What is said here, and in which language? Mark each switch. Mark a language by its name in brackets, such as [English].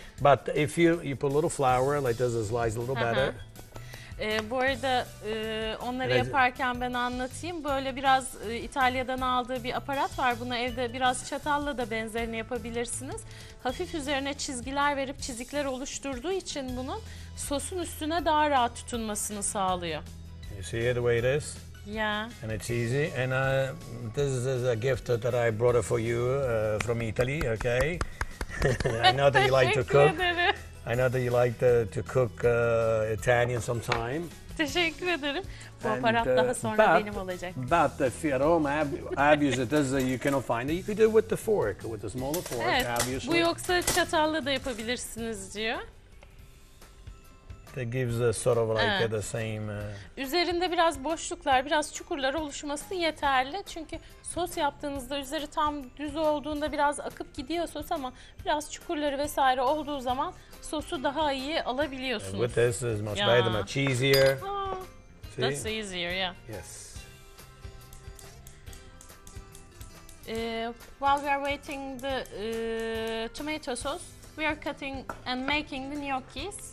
[English] But if you put a little flour, like this, it slices a little better. [Turkish] Bu arada onları yaparken ben anlatayım. Böyle biraz İtalya'dan aldığı bir aparat var. Bunu evde biraz çatalla da benzerini yapabilirsiniz. Hafif üzerine çizgiler verip çizikler oluşturduğu için bunun sosun üstüne daha rahat tutunmasını sağlıyor. [English] You see the way it is? Yeah. And it's easy. And this is a gift that I brought for you from Italy, okay? I know that you like to cook. I know that you like to cook Italian sometime. [Turkish] Teşekkür ederim. Bu aparat daha sonra benim olacak. [English] But if you're home, I've used it as you cannot find it. You could do it with the fork, with the smaller fork, [Turkish] evet, [English] obviously. [Turkish] Bu yoksa çatalla da yapabilirsiniz diyor. [English] That gives a sort of like the same... [Turkish] Üzerinde biraz boşluklar, biraz çukurlar oluşması yeterli. Çünkü sos yaptığınızda üzeri tam düz olduğunda biraz akıp gidiyor sos ama biraz çukurları vesaire olduğu zaman sosu daha iyi alabiliyorsunuz. [English] And with this, it's much better, much easier. That's easier, yeah. Yes. While we are waiting the tomato sauce, we are cutting and making the gnocchis.